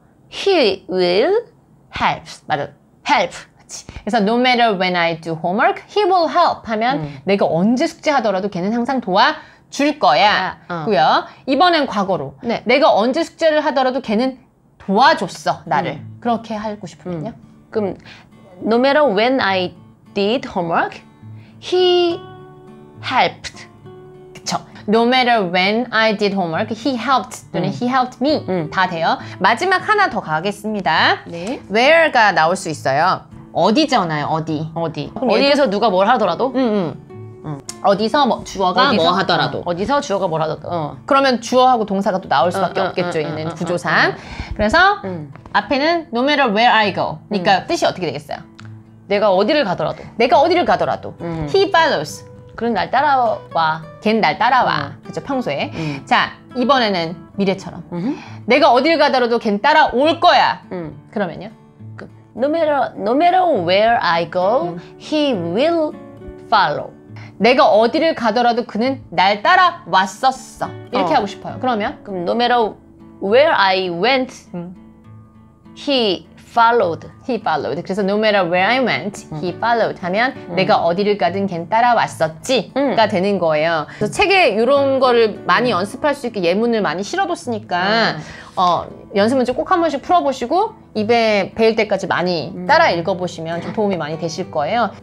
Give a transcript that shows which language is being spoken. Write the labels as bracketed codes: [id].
[en] He will help. [ko] 맞아. [en] Help. [ko] 그치. 그래서 [en] no matter when I do homework, he will help [ko] 하면 내가 언제 숙제하더라도 걔는 항상 도와줄 거야. 고요. 이번엔 과거로. 네. 내가 언제 숙제를 하더라도 걔는 도와줬어. 나를. 그렇게 하고 싶으면요. 그럼 [en] no matter when I did homework, he helped. [ko] 그렇죠. [en] No matter when I did homework, he helped [ko] 또는 [en] he helped me [ko] 다 돼요. 마지막 하나 더 가겠습니다. 네. Where가 나올 수 있어요. 어디잖아요. 어디. 어디. 어디에서 누가 뭘 하더라도. 어디서 뭐 주어가 어디서? 뭐 하더라도. 어디서 주어가 뭘 하더라도. 그러면 주어하고 동사가 또 나올 수밖에 없겠죠. 얘는 구조상. 그래서 앞에는 [en] no matter where I go. [ko] 그러니까 뜻이 어떻게 되겠어요? 내가 어디를 가더라도. 내가 어디를 가더라도. [en] He follows. [ko] 그럼 날 따라와. 걔는 날 따라와. 그렇죠. 평소에. 자, 이번에는 미래처럼. 내가 어딜 가더라도 걘 따라올 거야. 그러면요? [en] No matter where I go, he will follow. [ko] 내가 어디를 가더라도 그는 날 따라왔었어. 이렇게 하고 싶어요. 그러면? [en] 그럼 no matter where I went, he followed. He followed. [ko] 그래서 [en] no matter where I went, he followed. [ko] 하면 내가 어디를 가든 걘 따라왔었지가 되는 거예요. 그래서 책에 이런 거를 많이 연습할 수 있게 예문을 많이 실어뒀으니까 연습 문제 꼭 한 번씩 풀어보시고 입에 배일 때까지 많이 따라 읽어보시면 좀 도움이 많이 되실 거예요.